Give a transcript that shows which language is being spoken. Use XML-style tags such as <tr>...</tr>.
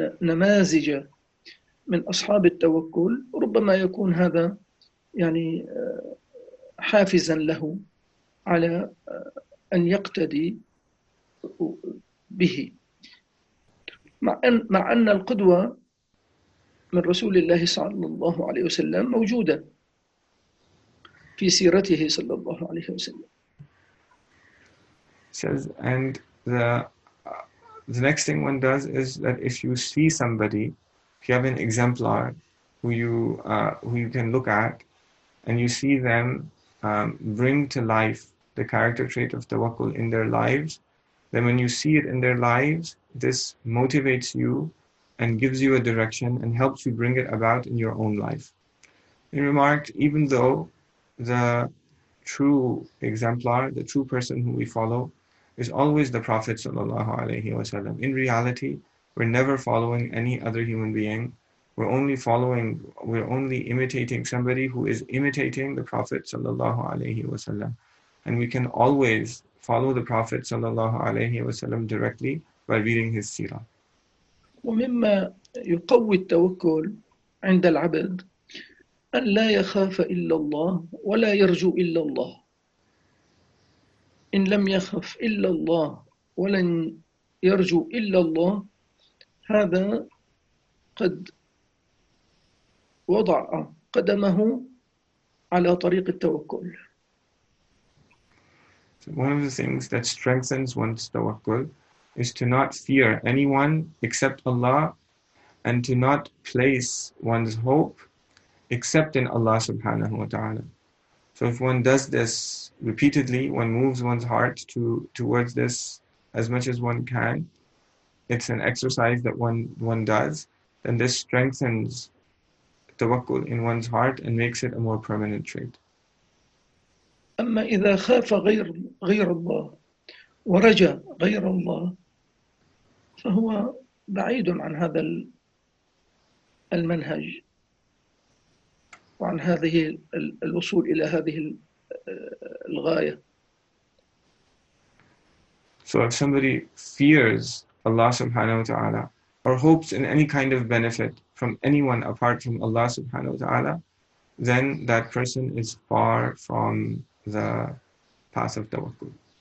<ar>نَمَازِجَ مِنْ أَصْحَابِ التَّوَكُّلِ رُبَّمَا يَكُونْ هَذَا يعني حَافِزًا لَهُ عَلَى أَنْ يَقْتَدِي بِهِ مع أن القدوة من رسول الله صلى الله عليه وسلم موجودة في سيرته صلى الله عليه وسلم.</ar> <en>Says, and the next thing one does is that if you see somebody, if you have an exemplar who you can look at, and you see them bring to life the character trait of tawakkul in their lives, then when you see it in their lives, this motivates you and gives you a direction and helps you bring it about in your own life. He remarked, even though the true exemplar, the true person who we follow, is always the Prophet sallallahu alaihi wasallam. In reality, we're never following any other human being. We're only imitating somebody who is imitating the Prophet sallallahu alaihi wasallam. And we can always follow the Prophet sallallahu alaihi wasallam directly by reading his seerah.</en> <ar>ومما يقوي التوكل عند العبد أن لا يخاف إلا الله ولا يرجو إلا الله. إن لم يخف إلا الله ولن يرجو إلا الله هذا قد وضع قدمه على طريق التوكل.</ar> <en>One of the things that strengthens one's tawakkul is to not fear anyone except Allah and to not place one's hope except in Allah subhanahu wa ta'ala. So if one does this repeatedly, one moves one's heart towards this as much as one can, it's an exercise that one does, then this strengthens tawakkul in one's heart and makes it a more permanent trait.</en> <ar>أما إذا خاف غير الله ورجا غير الله فهو بعيد عن هذا المنهج وعن هذه الوصول إلى هذه الغاية.</ar> <en>So if somebody fears Allah subhanahu wa ta'ala or hopes in any kind of benefit from anyone apart from Allah subhanahu wa ta'ala, then that person is far from the path of tawakkul.</en>